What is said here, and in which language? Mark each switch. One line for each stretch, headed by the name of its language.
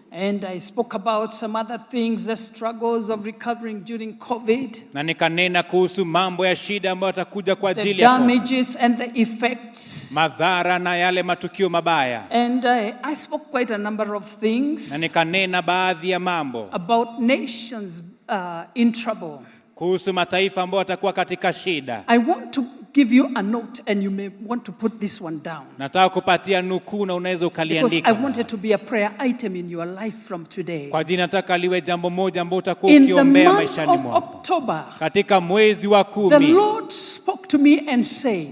English: And I spoke about some other things, the struggles of recovering during COVID.
Swahili: Na nikanena kuhusu mambo ya shida ambayo yatakuja kwa ajili ya
English: damages and the effects.
Swahili: Madhara na yale matukio mabaya.
English: And I spoke quite a number of things.
Swahili: Na nikanena baadhi ya mambo.
English: About nations in trouble.
Swahili: Kuhusu mataifa ambayo yatakuwa katika shida.
English: I want to give you a note and you may want to put this one down.
Swahili: Nataka kupatia nukuu na unaweza ukaliandika.
English: Because I wanted to be a prayer item in your life from today.
Swahili: Kwa jina nataka liwe jambo moja ambalo utakuwa ukiombea maishani mwako.
English: In October.
Swahili: Katika mwezi wa 10.
English: The Lord spoke to me and said.